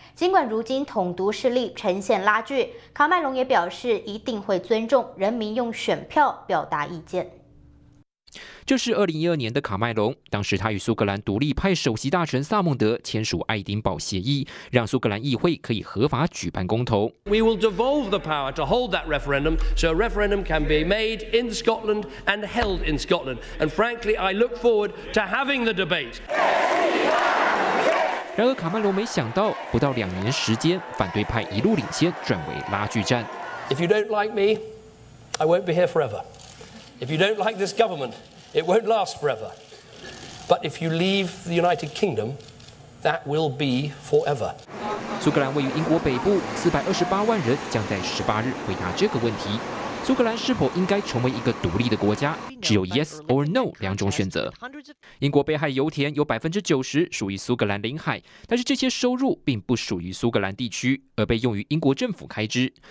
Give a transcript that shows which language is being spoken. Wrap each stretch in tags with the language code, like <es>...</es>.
<zh>尽管如今统独势力呈现拉锯，卡麦隆也表示一定会尊重人民用选票表达意见。这是2012年的卡麦隆，当时他与苏格兰独立派首席大臣萨孟德签署爱丁堡协议，让苏格兰议会可以合法举办公投。</zh> <en>We will devolve the power to hold that referendum so a referendum can be made in Scotland and held in Scotland. And frankly, I look forward to having the debate.</en> <zh>然而卡麦隆没想到，不到2年时间，反对派一路领先，转为拉锯战。</zh> <en>If you don't like me, I won't be here forever. If you don't like this government,It won't last forever. But if you leave the United Kingdom, that will be forever.</en> <zh>苏格兰位于英国北部，428万人将在18日回答这个问题：苏格兰是否应该成为一个独立的国家？只有</zh> <en>Yes or No</en> <zh>两种选择。英国北海油田有90%属于苏格兰领海，但是这些收入并不属于苏格兰地区，而被用于英国政府开支。</zh>